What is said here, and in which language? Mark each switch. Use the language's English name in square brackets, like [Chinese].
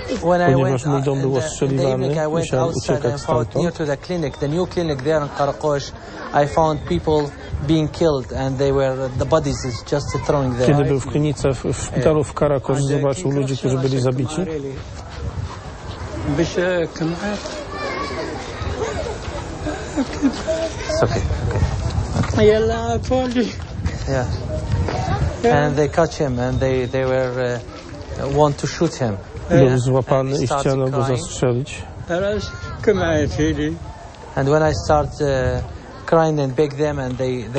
[English] When I went in the evening, I went outside and found near to the clinic, the new clinic there in Qaraqosh, I found people being killed and they were the bodies is just throwing there. [Polish] Kiedy był w klinice, w szpitalu w Qaraqosh, zobaczył ludzi, którzy byli zabici. [English] It's okay. Yalla, I told you. Yeah. And they catch him and they were want to shoot him. [Polish] Był złapany i chciano go zastrzelić. Teraz kamaj fili. [English] And when I start crying and beg them and they let me go.